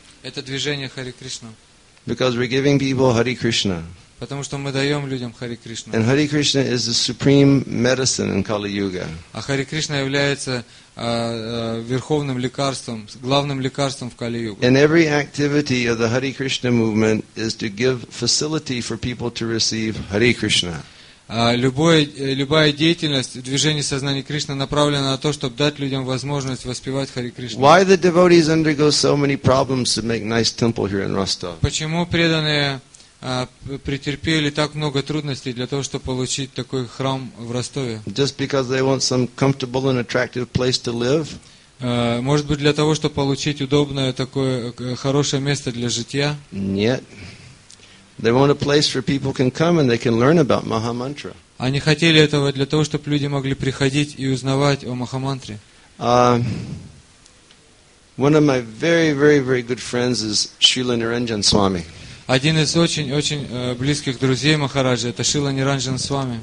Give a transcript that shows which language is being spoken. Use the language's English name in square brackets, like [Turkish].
[Russian] Это движение Хари Кришна. [English] Because we're giving people Hare Krishna. [Russian] Потому что мы даем людям Хари Кришна. [English] And Hare Krishna is the supreme medicine in Kali Yuga. [Russian] А Хари Кришна является верховным лекарством, главным лекарством в Кали-Югу. [English] And every activity of the Hare Krishna movement is to give facility for people to receive Hare Krishna. [Russian] Любая деятельность движения сознания Кришны направлена на то, чтобы дать людям возможность воспевать Хари Кришну. [English] Why the devotees undergo so many problems to make nice temple here in Rostov? [Russian] Почему преданные претерпели так много трудностей для того, чтобы получить такой храм в Ростове? [English] Just because they want some comfortable and attractive place to live? [Russian] Может быть, для того, чтобы получить удобное такое хорошее место для жития? Нет. [English] They want a place where people can come and they can learn about Mahamantra. [Russian] Они хотели этого для того, чтобы люди могли приходить и узнавать о Махамантре. [English] One of my very, very, very good friends is Srila Niranjan Swami. [Russian] Один из очень-очень близких друзей Махараджи это Шрила Ниранджан Свами.